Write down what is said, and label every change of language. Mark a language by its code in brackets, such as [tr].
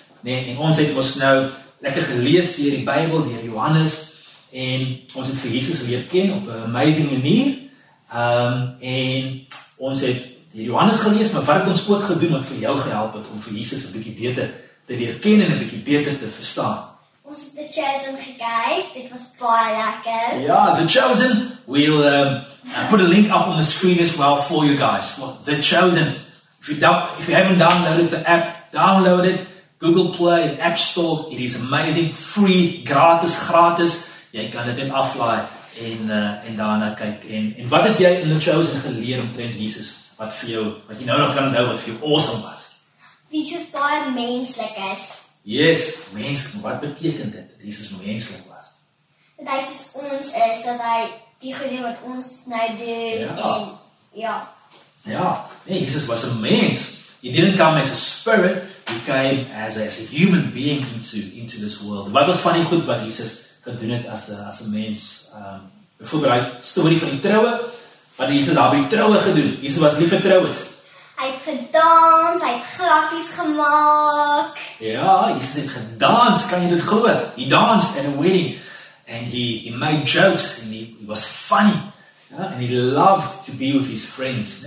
[af] Nee, en ons het mos nou lekker gelees deur die Bybel, deur Johannes en ons het vir Jesus leer ken op 'n amazing manier. En ons het die Johannes gelees, maar wat het ons ook gedoen wat vir jou gehelp het om vir Jesus 'n bietjie beter te leer ken en 'n bietjie beter te verstaan? Ons het The Chosen gekyk. Dit was baie lekker. Ja, The Chosen. [en] We'll put a link up on the screen as well for you guys. Well, The Chosen. If you haven't downloaded the app, download it. Google Play, App Store, it is amazing, free, gratis. [af] Jy kan dit net aflaai en daarna kyk. En wat het jy in The Chosen geleer omtrent Jesus? Wat jy nou nog kan onthou wat vir jou awesome was? Jesus baie menslik is. Yes, menslik. Maar wat beteken dit, dat Jesus menslik was? Dat hy soos ons is, dat hy die goede wat ons nou doen. Ja, Jesus was a mens. [en] He didn't come as a spirit, he came as a human being into this world. [af] Wat was funny goed wat Jesus gedoen het [en] as a [af] mens? Bijvoorbeeld die story van die trouwe, wat Jesus daar by die trouwe gedoen. Jesus was lief vir trouwes. Hy het gedans, hy het grappies gemaak. Ja, Jesus het gedans, kan jy dit glo? [en] He danced at a wedding, and he made jokes, and he was funny. [af] Ja, [en] and he loved to be with his friends.